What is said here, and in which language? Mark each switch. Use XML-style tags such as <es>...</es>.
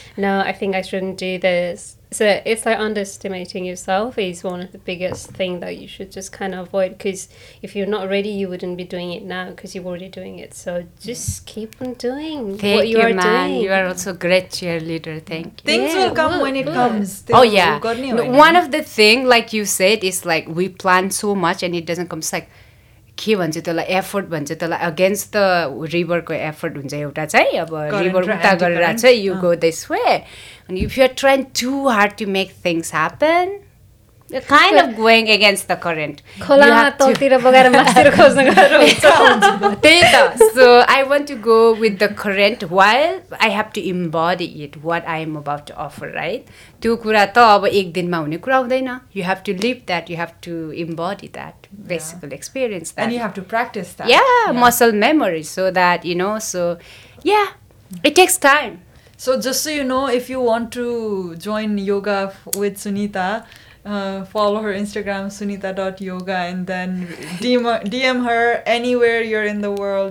<en>No, I think I shouldn't do this. So it's like underestimating yourself is one of the biggest thing that you should just kind of avoid, because if you're not ready, you wouldn't be doing it now because you're already doing it. So just keep on doing what you are doing. You are also a great cheerleader. Thank you. Things will come when it comes. One of the things, like you said, is like we plan so much and it doesn't come. It's like,</en> <ne>के भन्छ त्यसलाई effort भन्छ त्यसलाई</ne> <en>against the</en> <ne>रिभरको effort हुन्छ एउटा चाहिँ अब river उता गरेर चाहिँ</ne> <en>you go this way and if you are trying too hard to make things happen kind of going against the current</en> <ne>त्यही त</ne> <en>so I want to go with the current while I have to embody it what I am about to offer right</en> <ne>त्यो कुरा त अब एक दिनमा हुने कुरा हुँदैन</ne> <en>You have to live that you have to embody that basically experience that and you have to practice that muscle memory so that you know so yeah it takes time. So just so you know, if you want to join yoga with Sunita, follow her Instagram sunita.yoga and then DM her anywhere you're in the world.</en>